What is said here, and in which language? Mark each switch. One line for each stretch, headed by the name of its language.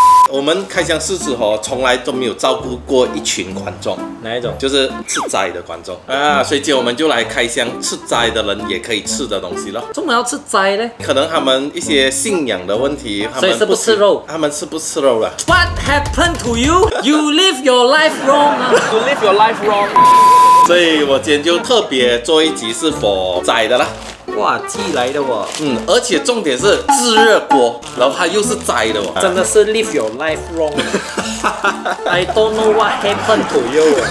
Chinese: 我们开箱试吃哦，从来都没有照顾过一群观众。哪一种？就是吃斋的观众啊，所以今天我们就来开箱吃斋的人也可以吃的东西了。为什么要吃斋呢？可能他们一些信仰的问题，所以是不吃肉。他们吃不吃肉了
English: ？What happened to you? You live your life wrong. You live your life wrong.
Chinese: 所以我今天就特别做一集是for斋的啦。哇，寄来的哦。嗯，而且重点是自热锅，然后它又是摘的哦。真的是
English: live your life wrong. I don't know what happened to you.